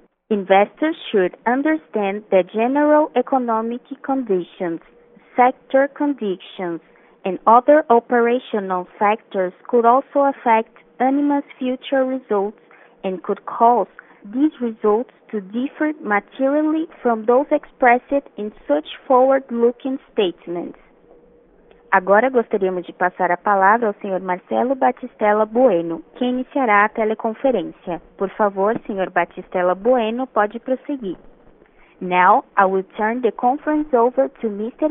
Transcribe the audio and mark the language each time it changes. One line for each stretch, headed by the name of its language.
English: Investors should understand that general economic conditions, sector conditions, and other operational factors could also affect Ânima's future results and could cause these results to differ materially from those expressed in such forward-looking statements.
Portuguese: Agora gostaríamos de passar a palavra ao senhor Marcelo Batistella Bueno, que iniciará a teleconferência. Por favor, senhor Batistella Bueno, pode prosseguir.
English: Now, I will turn the conference over to Mr.